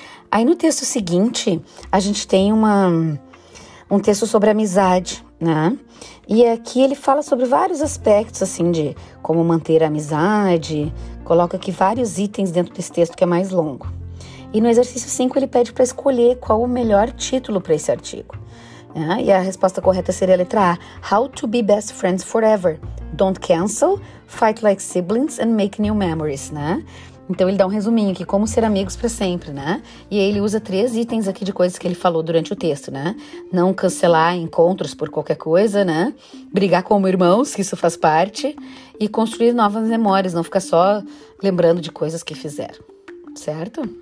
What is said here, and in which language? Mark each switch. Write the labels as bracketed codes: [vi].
[pt] Aí no texto seguinte, a gente tem um texto sobre amizade, né? E aqui ele fala sobre vários aspectos, assim, de como manter a amizade. Coloca aqui vários itens dentro desse texto que é mais longo. E no exercício 5, ele pede para escolher qual o melhor título para esse artigo. Né? E a resposta correta seria a letra A. [en] How to be best friends forever. Don't cancel, fight like siblings and make new memories, né? [pt] Então, ele dá um resuminho aqui, como ser amigos para sempre, né? E aí ele usa três itens aqui de coisas que ele falou durante o texto, né? Não cancelar encontros por qualquer coisa, né? Brigar como irmãos, que isso faz parte. E construir novas memórias, não ficar só lembrando de coisas que fizeram, certo?